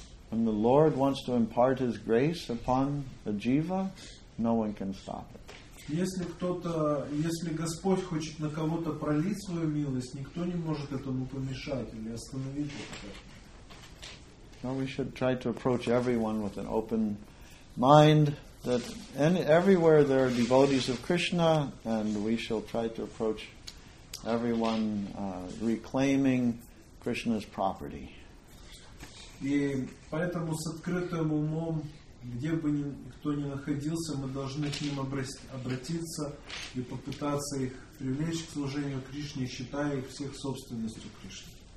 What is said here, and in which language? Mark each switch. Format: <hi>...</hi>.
<en>When the Lord wants to impart His grace upon a jiva, no one can stop it.</en> <ru>Если Господь хочет на кого-то пролить свою милость, никто не может этому помешать или остановить это.</ru> <en>No, we should try to approach everyone with an open mind. That everywhere there are devotees of Krishna, and we shall try to approach everyone, reclaiming Krishna's property.</en> <ru>И поэтому с открытым умом, где бы никто ни находился, мы должны к ним обратиться и попытаться их привлечь к служению Кришне, считая их всех собственностью Кришны.</ru>